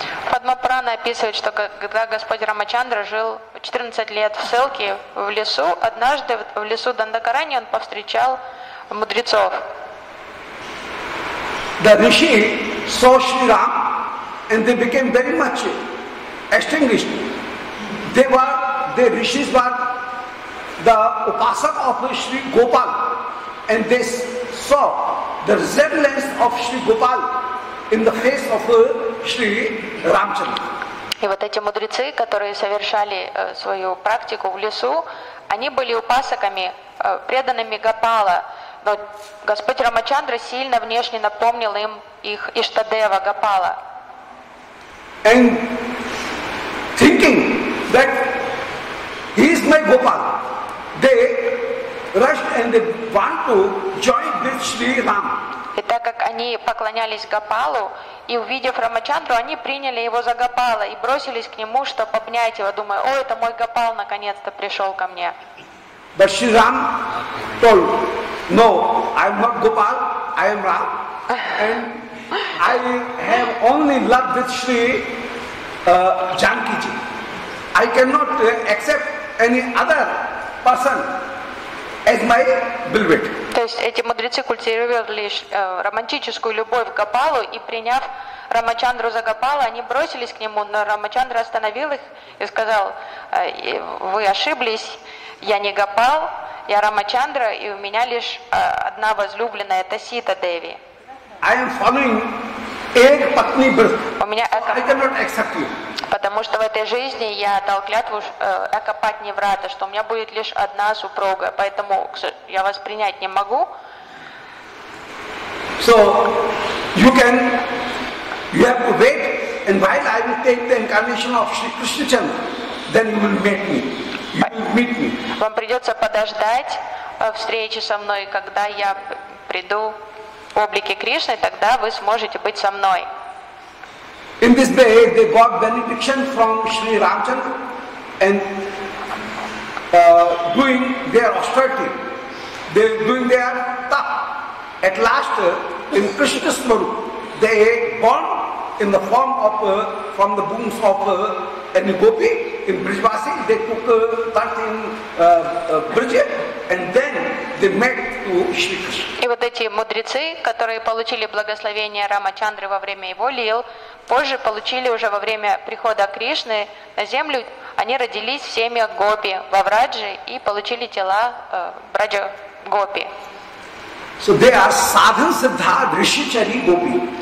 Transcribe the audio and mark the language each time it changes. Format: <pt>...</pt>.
<ru>Падма Пурана описывает, что когда Господь Рамачандра жил 14 лет в ссылке в лесу, однажды в лесу Дандакарани он повстречал мудрецов.</ru> <en>The Rishi saw Shri Ram and they became very much extinguished. They were, the Rishis were the upasak of Shri Gopal and they saw the resemblance of Shri Gopal in the face of Shri Ramchandra.</en> <ru>И вот эти мудрецы, которые совершали свою практику в лесу, они были упасаками, преданными Гопала. Но Господь Рамачандра сильно внешне напомнил им их Иштадева Гопала.</ru> <en>And thinking that he is my Gopal, they rushed and they want to join with Shri Ram.</en> <ru>И так как они поклонялись Гопалу, и увидев Рамачандру, они приняли его за Гопала и бросились к нему, чтобы обнять его, думая, о, это мой Гопал наконец-то пришел ко мне.</ru> <en>But Shri Ram told, no, I am not Gopal, I am Ram. And I have only love with Shri Janakiji. I cannot accept any other person. As my beloved.</en> <ru>То есть эти мудрецы культивировали лишь романтическую любовь к Гопалу, и приняв Рамачандру за Гопала, они бросились к нему, но Рамачандра остановил их и сказал, вы ошиблись, я не Гопал, я Рамачандра, и у меня лишь одна возлюбленная, это Сита Деви.</ru> <en>I am following ek patni brat.</en> <ru>У меня эко...</ru> <en>I cannot accept you.</en> <ru>Потому что в этой жизни я дал клятву окопать неврата, что у меня будет лишь одна супруга, поэтому я вас принять не могу.</ru> <en>So you can, you have to wait, and while I will take the incarnation of Shri Krishna Chandra, then you will meet me. You will meet me.</en> <ru>Вам придется подождать встречи со мной, когда я приду в облике Кришны, тогда вы сможете быть со мной.</ru> <en>In this way, they got benediction from Shri Ramchandra, and doing their austerity, they doing their tap. At last, in Krishna Swarup, they born in the form of from the wombs of any gopi in Brijvasi. They took birth in Brij, and then they met to Shri Krishna.</en> <ru>И вот эти мудрецы, которые получили благословение Рамачандры во время его лил. Позже получили уже во время прихода Кришны на землю, они родились в семьях гопи во Врадже и получили тела Враджа гопи.</ru> <en>So they are sadhana siddha rishichari gopi.</en>